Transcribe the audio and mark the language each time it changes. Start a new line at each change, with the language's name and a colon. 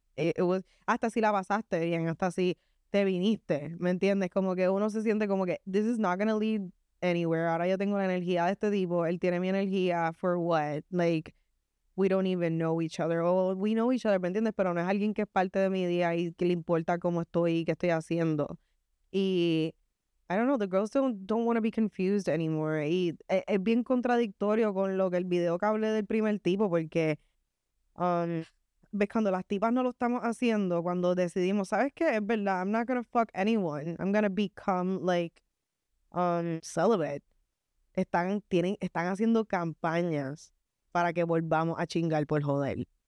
English: It was,
Spanish: hasta si la pasaste bien, hasta si te viniste, ¿me entiendes? Como que uno se siente como que,
English: this is not gonna lead anywhere.
Spanish: Ahora yo tengo la energía de este tipo, él tiene mi energía,
English: for what? Like, we don't even know each other. Oh, we know each other,
Spanish: ¿me entiendes? Pero no es alguien que es parte de mi día y que le importa cómo estoy y qué estoy haciendo.
English: Y, I don't know, the girls don't want to be confused anymore.
Spanish: Y es bien contradictorio con lo que el video que hablé del primer tipo, porque ves, cuando las tipas no lo estamos haciendo, cuando decidimos, ¿sabes qué? Es verdad,
English: I'm not gonna fuck anyone. I'm gonna become, like, celibate.
Spanish: Están haciendo campañas para que volvamos a chingar por joder.